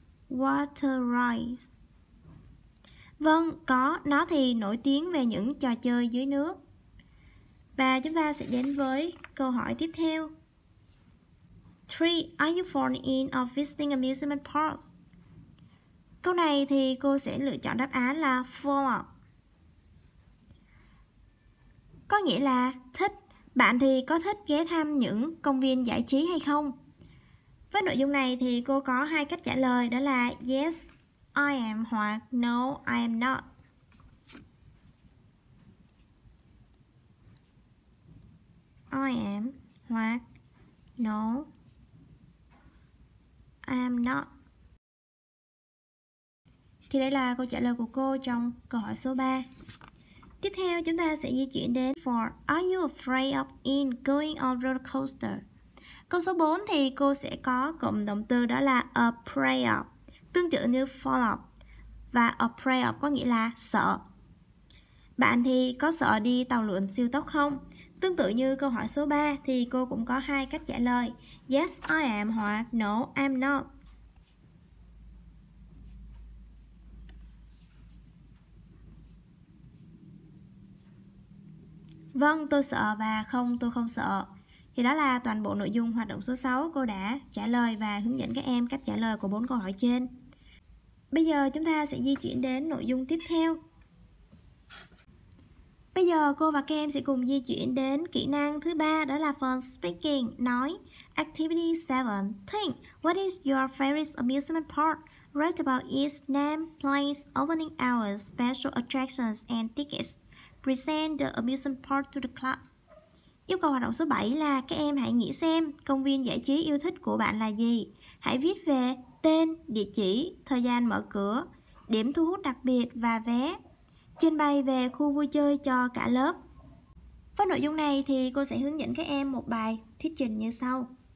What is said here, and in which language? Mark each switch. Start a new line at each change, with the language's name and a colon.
English: Water rides.
Vietnamese: Vâng, có. Nó thì nổi tiếng về những trò chơi dưới nước. Và chúng ta sẽ đến với câu hỏi tiếp theo. 3.
English: Are you fond in of visiting amusement parks?
Vietnamese: Câu này thì cô sẽ lựa chọn đáp án là 4. Có nghĩa là thích. Bạn thì có thích ghé thăm những công viên giải trí hay không? Với nội dung này thì cô có hai cách trả lời, đó là
English: yes, I am
Vietnamese: hoặc
English: no, I am not. I am
Vietnamese: hoặc
English: no, I am not.
Vietnamese: Thì đây là câu trả lời của cô trong câu hỏi số 3. Tiếp theo chúng ta sẽ di chuyển đến 4.
English: Are you afraid of in going on roller coaster?
Vietnamese: Câu số 4 thì cô sẽ có cụm động từ đó là afraid of, tương tự như fall of. Và afraid of có nghĩa là sợ. Bạn thì có sợ đi tàu lượn siêu tốc không? Tương tự như câu hỏi số 3 thì cô cũng có hai cách trả lời.
English: Yes, I am
Vietnamese: hoặc
English: no, I'm not.
Vietnamese: Vâng, tôi sợ và không, tôi không sợ. Thì đó là toàn bộ nội dung hoạt động số 6 cô đã trả lời và hướng dẫn các em cách trả lời của 4 câu hỏi trên. Bây giờ chúng ta sẽ di chuyển đến nội dung tiếp theo. Bây giờ cô và các em sẽ cùng di chuyển đến kỹ năng thứ 3, đó là phần speaking, nói.
English: Activity 7. Think, what is your favorite amusement park? Write about its name, place, opening hours, special attractions and tickets. Present the amusement park to the class.
Vietnamese: Yêu cầu hoạt động số 7 là các em hãy nghĩ xem công viên giải trí yêu thích của bạn là gì. Hãy viết về tên, địa chỉ, thời gian mở cửa, điểm thu hút đặc biệt và vé. Trình bày về khu vui chơi cho cả lớp. Với nội dung này thì cô sẽ hướng dẫn các em một bài thuyết trình như sau.